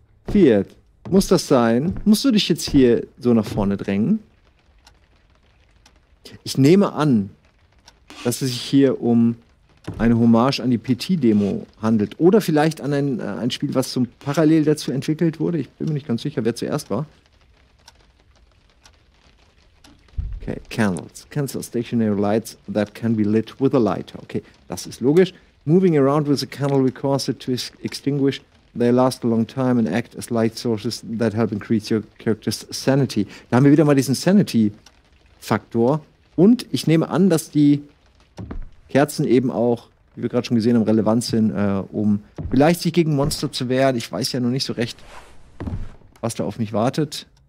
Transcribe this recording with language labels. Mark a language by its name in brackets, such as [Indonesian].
[German] Fiat, muss das sein? Musst du dich jetzt hier so nach vorne drängen? Ich nehme an, dass es sich hier um eine Hommage an die PT-Demo handelt. Oder vielleicht an ein Spiel, was zum parallel dazu entwickelt wurde. Ich bin mir nicht ganz sicher, wer zuerst war. [English] Okay, candles. Candles are stationary lights that can be lit with a lighter. Okay, [German] das ist logisch. [English] Moving around with a candle requires it to extinguish. They last a long time and act as light sources that help increase your character's sanity. [German] Da haben wir wieder mal diesen Sanity-Faktor. Und ich nehme an, dass die Kerzen eben auch, wie wir gerade schon gesehen haben, relevant sind, um vielleicht sich gegen Monster zu wehren. Ich weiß ja noch nicht so recht, was da auf mich wartet.